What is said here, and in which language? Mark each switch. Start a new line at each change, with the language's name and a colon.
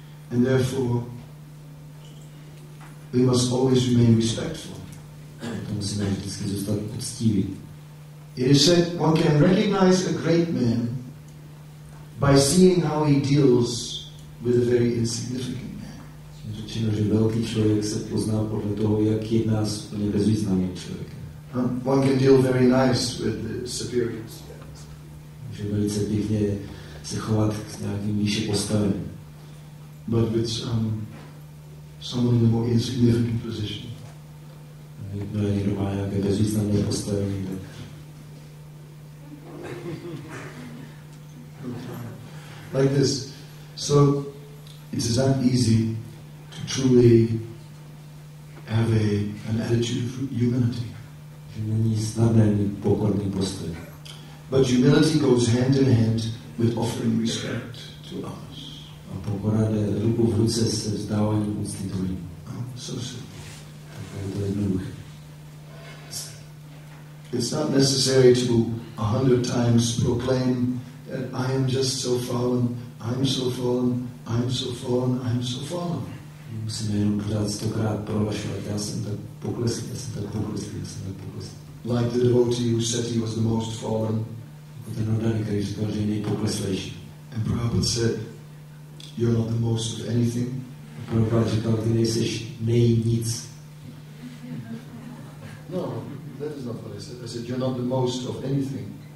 English: And therefore, we must always remain respectful. It is said one can recognize a great man by seeing how he deals with a very insignificant man.
Czech: Řečeno, že velký člověk se pozná podle toho, jak jedná s úplně bezvýznamným člověkem.
English: One can deal very nice with the superiors.
Czech: Může velice pěkně se chovat k nějakým vyšším postavám.
English: But with someone in a more insignificant position.
Czech: Jakmile někdo má nějaké bezvýznamné postavení, tak...
English: Like this. So, it's not easy to truly have an attitude of humility.
Czech: Není snadné mít pokorný postoj.
English: But humility goes hand in hand with offering respect to others.
Czech: A pokora jde ruku v ruce se vzdáváním úcty druhým.
English: So simple.
Czech: Tak je to jednoduché.
English: It's not necessary to 100 times proclaim that I am just so fallen, I'm so fallen, I'm so fallen, I'm so fallen.
Czech: Musíme jenom pořád 100krát prohlašovat, já jsem tak poklesl, já jsem tak poklesl, já jsem tak poklesl.
English: Like the devotee who said he was the most fallen.
Czech: Jako ten oddaný, který říkal, že je nejpokleslejší.
English: And Prabhupada said, you're not the most of anything.
Czech: A Prabhupada říkal, ty nejseš nej nic.
English: No, that is not what I said. I said, you're not the most of anything.